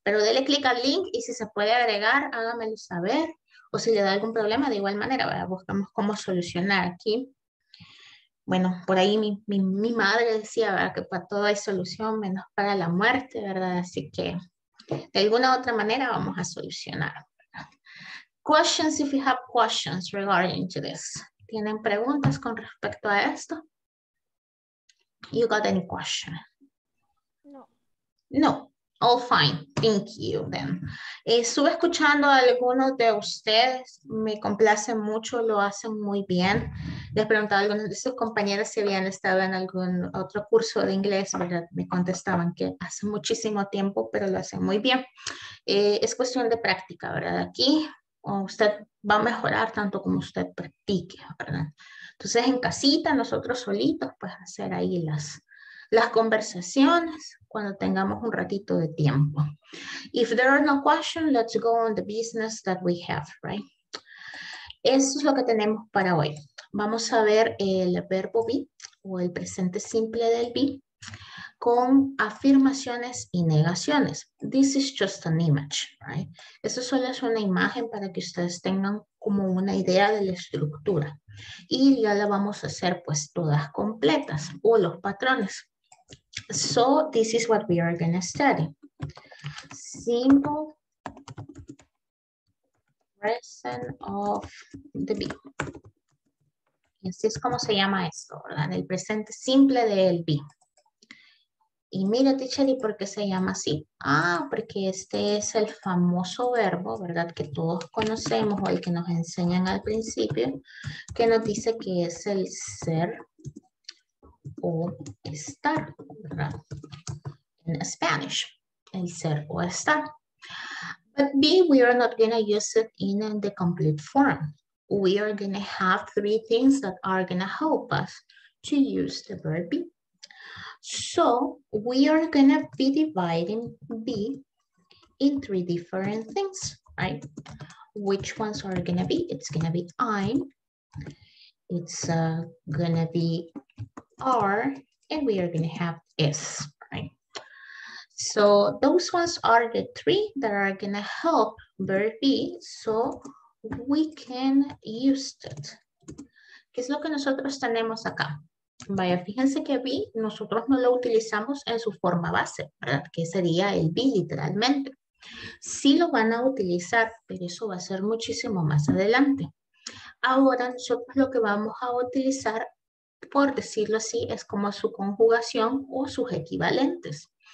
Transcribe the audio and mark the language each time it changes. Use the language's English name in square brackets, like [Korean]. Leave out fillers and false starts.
[Spanish] Pero dele clic al link y si se puede agregar, hágamelo saber. O si le da algún problema, de igual manera, ¿verdad? Buscamos cómo solucionar aquí. Bueno, por ahí mi madre decía, ¿verdad?, que para todo hay solución, menos para la muerte, ¿verdad? Así que de alguna u otra manera vamos a solucionar. [English] Questions, if you have questions regarding to this. [Spanish] ¿Tienen preguntas con respecto a esto? [English] You got any question? [Spanish] No. [English] No. All fine. Thank you then. [Spanish] Estuve escuchando a algunos de ustedes. Me complace mucho. Lo hacen muy bien. Les preguntaba a algunos de sus compañeros si habían estado en algún otro curso de inglés, ¿verdad? Me contestaban que hace muchísimo tiempo, pero lo hacen muy bien. Es cuestión de práctica, ¿verdad? Aquí usted va a mejorar tanto como usted practique, ¿verdad? Entonces, en casita, nosotros solitos, pues hacer ahí las conversaciones cuando tengamos un ratito de tiempo. [English] If there are no questions, let's go on the business that we have, right? [Spanish] Eso es lo que tenemos para hoy. Vamos a ver el verbo be o el presente simple del be con afirmaciones y negaciones. [English] This is just an image, right? [Spanish] Esto solo es una imagen para que ustedes tengan como una idea de la estructura. Y ya la vamos a hacer pues todas completas o los patrones. [English] So this is what we are going to study. Simple present of the be. [Spanish] Y así es como se llama esto, ¿verdad? El presente simple del be. Y mira, teacher, ¿y por qué se llama así? Ah, porque este es el famoso verbo, ¿verdad? Que todos conocemos o el que nos enseñan al principio, que nos dice que es el ser o estar, ¿verdad? [English] In Spanish, [Spanish] el ser o estar. [English] But B, we are not going to use it in the complete form. We are going to have three things that are going to help us to use the verb be. So we are going to be dividing be in three different things, right? Which ones are going to be? It's going to be I'm, it's going to be are, and we are going to have is, right? So those ones are the three that are going to help verb be so we can use it. [Spanish] ¿Qué es lo que nosotros tenemos acá? Vaya, fíjense que be, nosotros no lo utilizamos en su forma base, ¿verdad? Que sería el be literalmente. Sí lo van a utilizar, pero eso va a ser muchísimo más adelante. Ahora nosotros lo que vamos a utilizar, por decirlo así, es como su conjugación o sus equivalentes.